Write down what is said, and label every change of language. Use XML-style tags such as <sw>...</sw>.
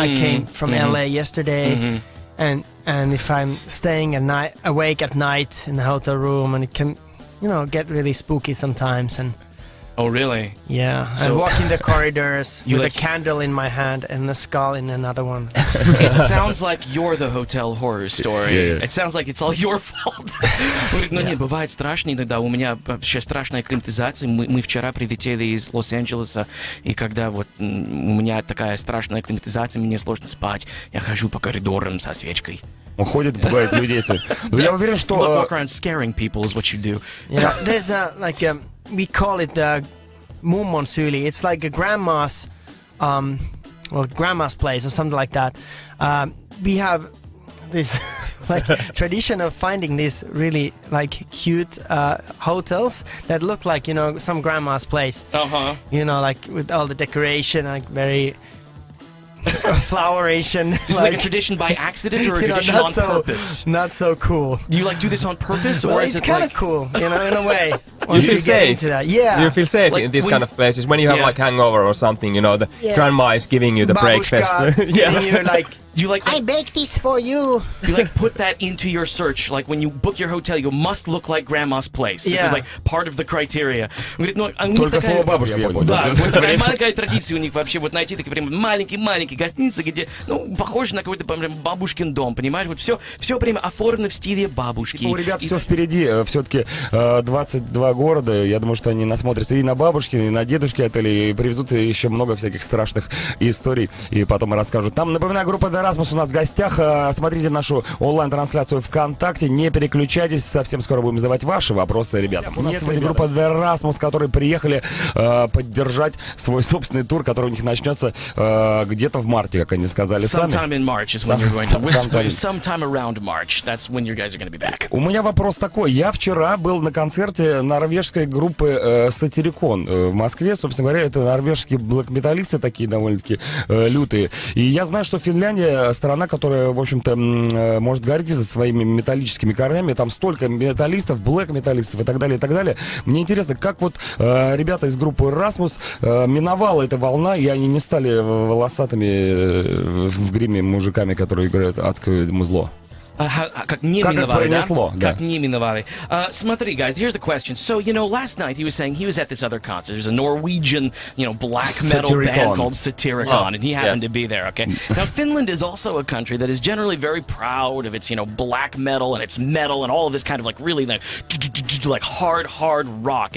<en>I came from LA yesterday, and if I'm staying awake at night in the hotel room, and it can, you know, get really spooky sometimes. And oh, really? Yeah. So, I walk in the corridors with a candle in my hand and a skull in another one. It sounds like you're the hotel horror story. Yeah. It sounds like it's all your fault.</en> <ru>Ну нет, бывает страшно иногда. У меня вообще страшная акклиматизация. Мы вчера прилетели из Лос-Анджелеса, и когда вот у меня такая страшная акклиматизация, мне сложно спать. Я хожу по коридорам со свечкой. Он ходит, пугает людей. Я уверен, что...</ru> <en>Walk around scaring people is what you do. Yeah, there's a, like... We call it the Mummon Syli. It's like a grandma's, grandma's place or something like that. We have this like tradition of finding these really like cute hotels that look like, you know, some grandma's place. Uh huh. You know, like with all the decoration, like very flowerish. Is like a tradition by accident or a tradition purpose? Not so cool. Do you like do this on purpose or it's is it kind of like... cool? You know, in a way. You feel safe. Yeah. You feel safe like in these kind of places when you have like hangover or something. You know, the grandma is giving you the Babushka breakfast. Giving you like you like, I bake this for you. You like put that into your search. Like when you book your hotel, you must look like grandma's place. This is like part of the criteria.</en> <ru>Только слово бабушка, я понял. Да, маленькая традиция у них вообще. Вот найти такие прям маленькие-маленькие гостиницы, где, ну, похоже на какой-то прям бабушкин дом, понимаешь? Вот все время оформлено в стиле бабушки. У ребят все впереди. Все-таки 22 города. Я думаю, что они насмотрятся и на бабушки, и на дедушки отели, и привезут еще много всяких страшных историй. И потом расскажут. Там, напоминаю, группа «Эразмус» у нас в гостях. Смотрите нашу онлайн-трансляцию ВКонтакте. Не переключайтесь, совсем скоро будем задавать ваши вопросы ребятам. У нас сегодня группа «Эразмус», которые приехали поддержать свой собственный тур, который у них начнется где-то в марте, как они сказали сами.</ru> <en>Sometime in March is when you're going to be back. Sometime around March, that's when you guys are going to be back.</en> <ru>У меня вопрос такой. Я вчера был на концерте норвежской группы «Сатирикон» в Москве. Собственно говоря, это норвежские блэк-металлисты такие довольно-таки лютые. И я знаю, что Финляндия страна, которая, в общем-то, может гордиться своими металлическими корнями. Там столько металлистов, блэк-металлистов и так далее, и так далее. Мне интересно, как вот ребята из группы «Эразмус» миновала эта волна, и они не стали волосатыми в гриме мужиками, которые играют адское музло. Как не миновали, как пронесло, да? Как не миновали. Смотри,</ru> <en>guys, here's the question. So, you know, last night he was saying he was at this other concert. There's a Norwegian, you know, black metal Satyricon. Band called Satyricon, and he happened to be there, okay? Now, Finland is also a country that is generally very proud of its, you know, black metal and its metal and all of this kind of, like, really, like hard rock.</en>